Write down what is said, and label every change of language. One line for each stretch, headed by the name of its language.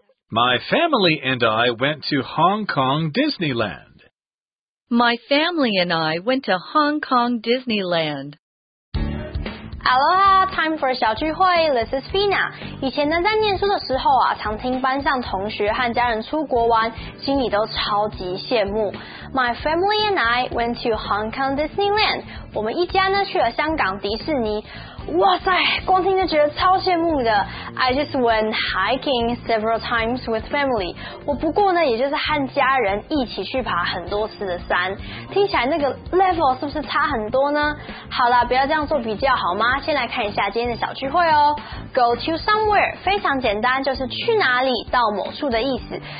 English: My family and I went to Hong Kong Disneyland. My family and I went to Hong Kong Disneyland. Aloha, time for 小聚会 This is Fina.
Chinese: 以前呢在念书的时候啊常听班上同学和家人出国玩心里都超级羡慕。
English: My family and I went to Hong Kong Disneyland.
Chinese: 我们一家呢去了香港迪士尼。哇塞光听就觉得超羡慕的
English: I just went hiking several times with family
Chinese: 我不过呢也就是和家人一起去爬很多次的山听起来那个 level 是不是差很多呢好啦不要这样做比较好吗先来看一下今天的小聚会哦
English: Go to somewhere
Chinese: 非常简单就是去哪里到某处的意思